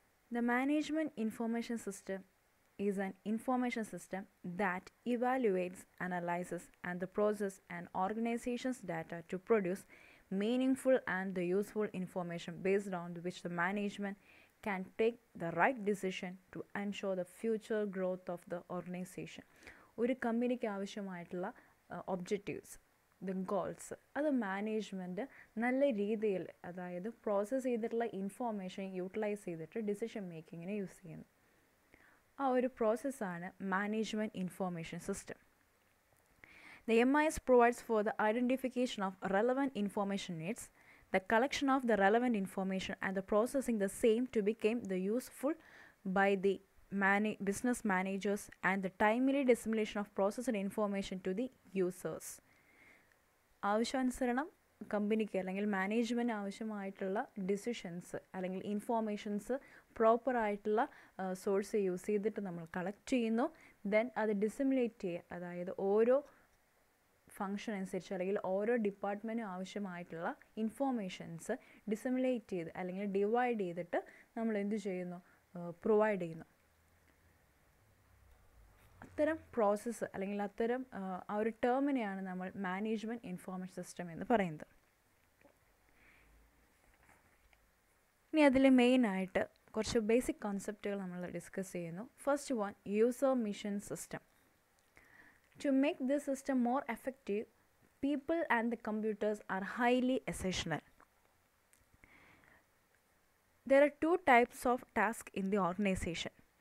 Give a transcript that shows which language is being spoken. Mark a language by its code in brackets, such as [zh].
[en] The management information system is an information system that evaluates, analyzes and the process an organization's data to produce meaningful and the useful information based on which the management can take the right decision to ensure the future growth of the organization. [ml] ഒരു കമ്പനിക്ക് ആവശ്യമായിട്ടുള്ള objectives the goals അത് management നല്ല രീതിയിൽ അതായത് process ചെയ്തിട്ടുള്ള information utilise ചെയ്തിട്ട് decision മേക്കിങ്ങിനെ use ചെയ്യുന്നു. ആ ഒരു പ്രോസസ്സാണ് management information system. [en] The MIS provides for the identification of relevant information needs, the collection of the relevant information and the processing the same to become the useful by the business managers and the timely dissemination of processed information to the users. [ml] ആവശ്യാനുസരണം കമ്പനിക്ക് അല്ലെങ്കിൽ management ആവശ്യമായിട്ടുള്ള decisions അല്ലെങ്കിൽ informations പ്രോപ്പറായിട്ടുള്ള source use ചെയ്തിട്ട് നമ്മൾ collect ചെയ്യുന്നു. Then അത് ഡിസിമിനേറ്റ് ചെയ്യുക, അതായത് ഓരോ ഫങ്ഷൻ അനുസരിച്ച് അല്ലെങ്കിൽ ഓരോ ഡിപ്പാർട്ട്മെൻറ്റും ആവശ്യമായിട്ടുള്ള ഇൻഫോർമേഷൻസ് ഡിസിമിലേറ്റ് ചെയ്ത് അല്ലെങ്കിൽ ഡിവൈഡ് ചെയ്തിട്ട് നമ്മൾ എന്തു ചെയ്യുന്നു, പ്രൊവൈഡ് ചെയ്യുന്നു. അത്തരം പ്രോസസ്സ് അല്ലെങ്കിൽ അത്തരം ആ ഒരു ടേമിനെയാണ് നമ്മൾ മാനേജ്മെൻറ്റ് ഇൻഫോർമേഷൻ സിസ്റ്റം എന്ന് പറയുന്നത്. ഇനി അതിൽ മെയിനായിട്ട് കുറച്ച് ബേസിക് കോൺസെപ്റ്റുകൾ നമ്മൾ ഡിസ്കസ് ചെയ്യുന്നു. [en] First one, user machine system. To make this system more effective, people and the computers are highly essential. There are two types of tasks in the organization.